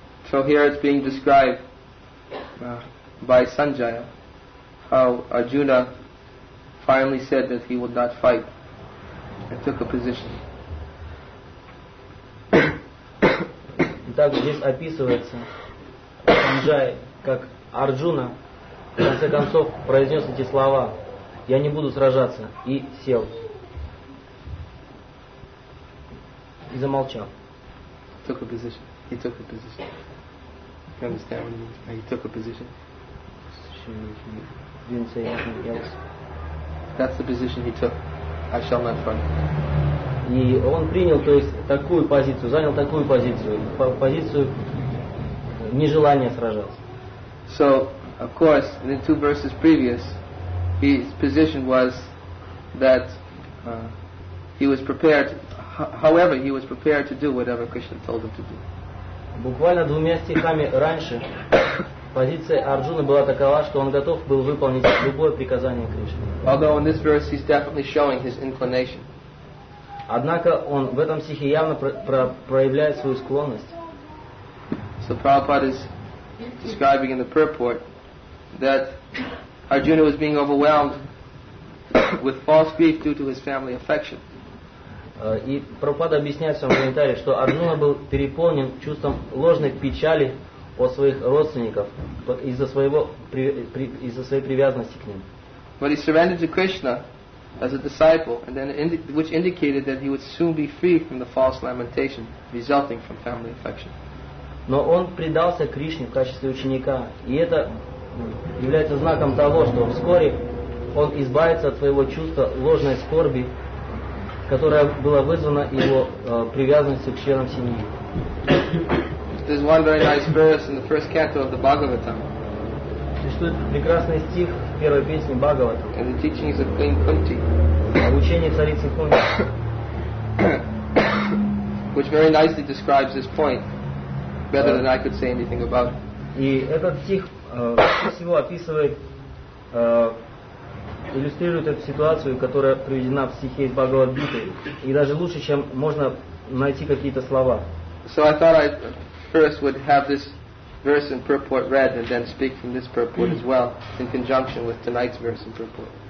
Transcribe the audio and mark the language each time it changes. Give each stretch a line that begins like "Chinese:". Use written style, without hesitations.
English: So here it's being described by Sanjaya how Arjuna finally said that he would not fight and took a position.
Russian: Так здесь описывается Санджай, как Арджуна в конце концов произнес эти слова: "Я не буду сражаться" и сел и замолчал.
English: Took a position. He took a position. You understand what he means? He took a position. He didn't say anything else. Yeah. That's the position he took. I shall not fight.
Russian: И он принял, то есть, такую позицию, занял такую позицию, позицию нежелания сражаться.
English: So of course, in the two verses previous, his position was that he was prepared, however he was prepared to do whatever Krishna told him to do.
Russian: Буквально двумя стихами раньше позиция Арджуны была такова, что он готов был выполнить любое приказание Кришны.
English: Although in this verse he's definitely showing his inclination.
Russian: Однако он в этом стихе явно проявляет свою склонность.
English: So Prabhupada is describing in the purport that Arjuna was being overwhelmed with false grief due to his family affection.
Russian: И Прабхупада объясняет в своем комментарии, что Арджуна был переполнен чувством ложной печали о своих родственниках из-за своего из-за своей привязанности к ним.
English: But he surrendered to Krishna as a disciple, and then which indicated that he would soon be free from the false lamentation resulting from family affection.
Russian: Но он предался Кришне в качестве ученика, и это является знаком того, что вскоре он избавится от своего чувства ложной скорби, которая была вызвана его привязанностью к членам семьи.
English: There's one very nice verse in the first canto of the Bhagavatam.
Russian: Существует прекрасный стих в первой песне Бхагавата.
English: And the teachings of Queen Kunti.
Russian: Учение царицы Кунти.
English: Which very nicely describes this point, better than I could say anything about.
Russian: И этот стих всего описывает, иллюстрирует эту ситуацию, которая приведена в стихе из Бхагавад-гиты, и даже лучше, чем можно найти какие-то слова.
English: So I thought I first would have this verse in purport read and then speak from this purport as well in conjunction with tonight's verse in purport.